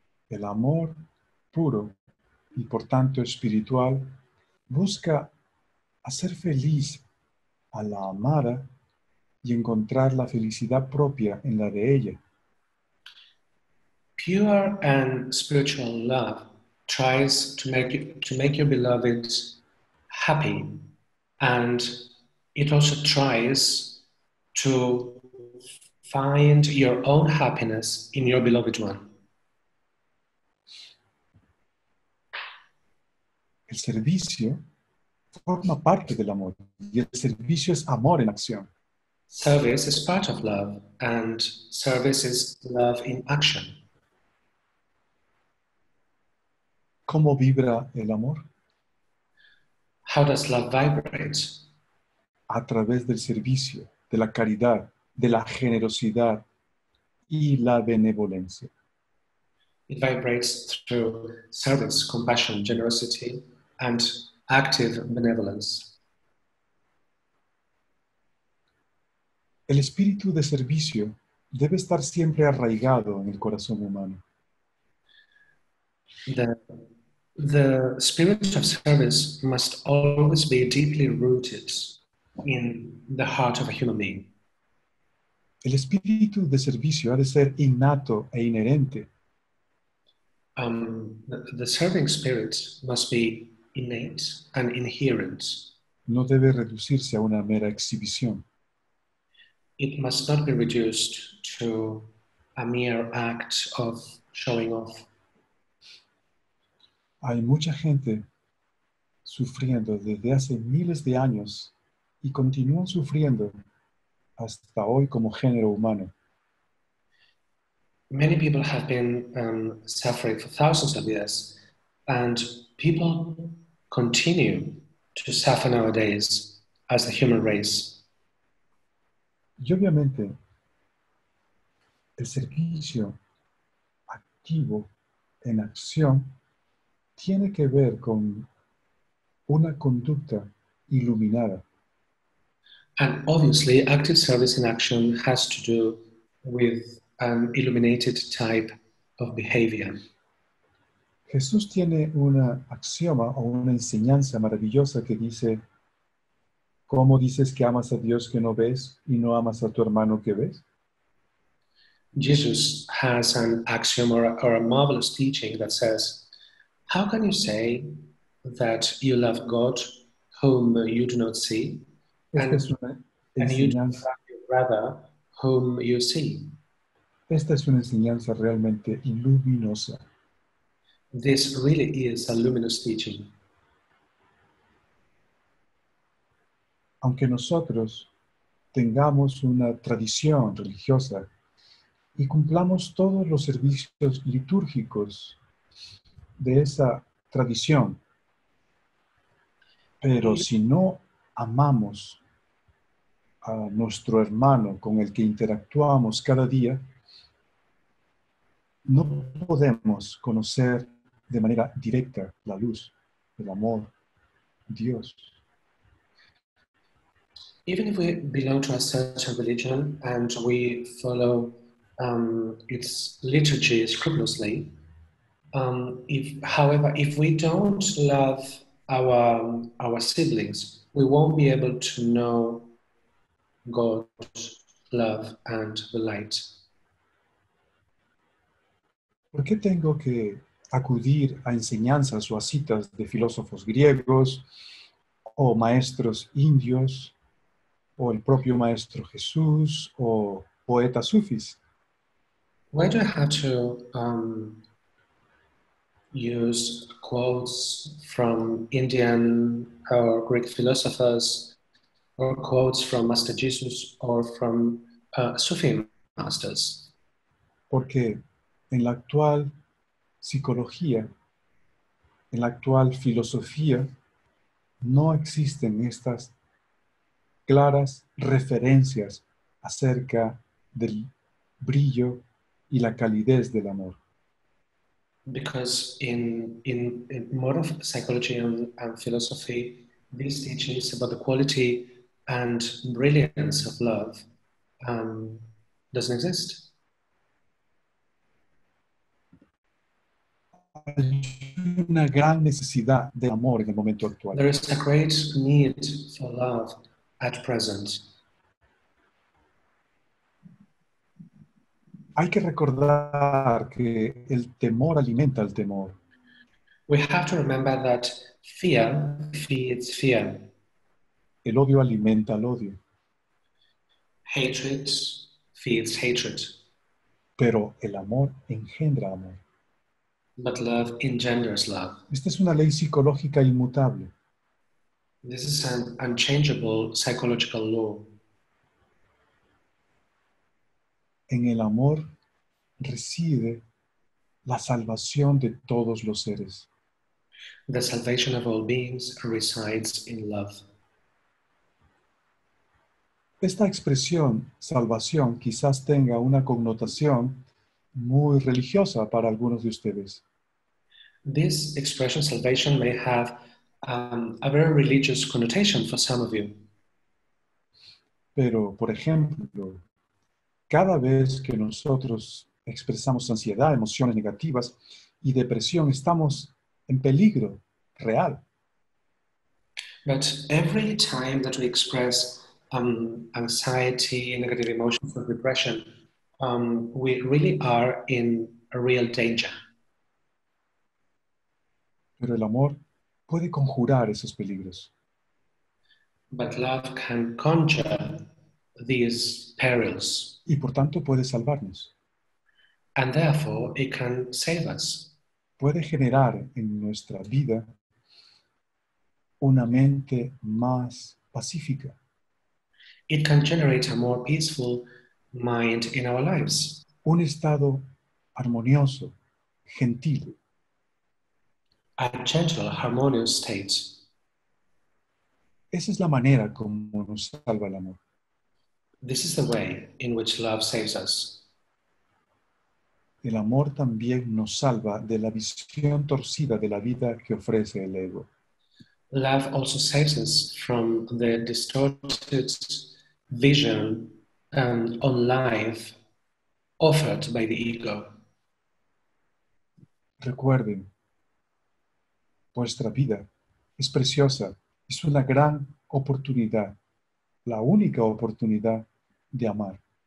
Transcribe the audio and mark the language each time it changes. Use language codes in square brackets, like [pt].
[es] El amor puro y por tanto espiritual busca hacer feliz a la amada y encontrar la felicidad propia en la de ella. [en] Pure and spiritual love tries to make your beloved happy, and it also tries to find your own happiness in your beloved one. [es] El servicio forma parte del amor, y el servicio es amor en acción. [en] Service is part of love, and service is love in action. [es] ¿Cómo vibra el amor? [en] How does love vibrate? [es] A través del servicio, de la caridad, de la generosidad y la benevolencia. [en] It vibrates through service, compassion, generosity, and active benevolence. [es] El espíritu de servicio debe estar siempre arraigado en el corazón humano. [en] The spirit of service must always be deeply rooted in the heart of a human being. [es] El espíritu de servicio ha de ser innato e inherente. [en] The serving spirit must be innate and inherent. [es] No debe reducirse a una mera exhibición. [en] It must not be reduced to a mere act of showing off. [es] Hay mucha gente sufriendo desde hace miles de años y continúan sufriendo hasta hoy como género humano. [en] Many people have been suffering for thousands of years, and people continue to suffer nowadays as the human race. [es] Y obviamente, el servicio activo en acción tiene que ver con una conducta iluminada. [en] And obviously, active service in action has to do with an illuminated type of behavior. [es] Jesús tiene una axioma o una enseñanza maravillosa que dice: ¿cómo dices que amas a Dios que no ves y no amas a tu hermano que ves? [en] Jesus has an axiom or a marvelous teaching that says, how can you say that you love God whom you do not see and you do not love your brother whom you see? [es] Esta es una enseñanza realmente iluminosa. [en] This really is a luminous teaching. [es] Aunque nosotros tengamos una tradición religiosa y cumplamos todos los servicios litúrgicos de esa tradición, pero si no amamos a nuestro hermano con el que interactuamos cada día, no podemos conocer de manera directa la luz, el amor, Dios. [en] Even if we belong to a certain religion and we follow its liturgy scrupulously, if we don't love our siblings, we won't be able to know God's love and the light. [es] ¿Por qué tengo que acudir a enseñanzas o a citas de filósofos griegos o maestros indios o el propio maestro Jesús o poetas sufis? [en] Why do I have to use quotes from Indian or Greek philosophers or quotes from Master Jesus or from Sufi masters? [es] Porque en la actual psicología, en la actual filosofía, no existen estas claras referencias acerca del brillo y la calidez del amor. [en] Because in modern psychology and philosophy, these teachings about the quality and brilliance of love doesn't exist. [es] Hay una gran necesidad de amor en el momento actual. [en] There is a great need for love at present. [es] Hay que recordar que el temor alimenta el temor. [en] We have to remember that fear feeds fear. [es] El odio alimenta el odio. [en] Hatred feeds hatred. [es] Pero el amor engendra amor. [en] But love engenders love. [es] Esta es una ley psicológica inmutable. [en] This is an unchangeable psychological law. [es] En el amor reside la salvación de todos los seres. [en] The salvation of all beings resides in love. [es] Esta expresión, salvación, quizás tenga una connotación muy religiosa para algunos de ustedes. [en] This expression, salvation, may have a very religious connotation for some of you. [es] Pero, por ejemplo, cada vez que nosotros expresamos ansiedad, emociones negativas y depresión, estamos en peligro real. [en] But every time that we express anxiety, negative emotions, or depression, we really are in a real danger. [es] Pero el amor puede conjurar esos peligros. [en] But love can conjure these perils. [es] Y por tanto puede salvarnos. [en] And therefore it can save us. [es] Puede generar en nuestra vida una mente más pacífica. [en] It can generate a more peaceful mind in our lives. [es] Un estado armonioso, gentil. [en] A gentle, harmonious state. [es] Esa es la manera como nos salva el amor. [en] This is the way in which love saves us. [es] El amor también nos salva de la visión torcida de la vida que ofrece el ego. [en] Love also saves us from the distorted vision on life offered by the ego. [es] Recuerden, vuestra vida es preciosa, es una gran oportunidad, la única oportunidad de amar.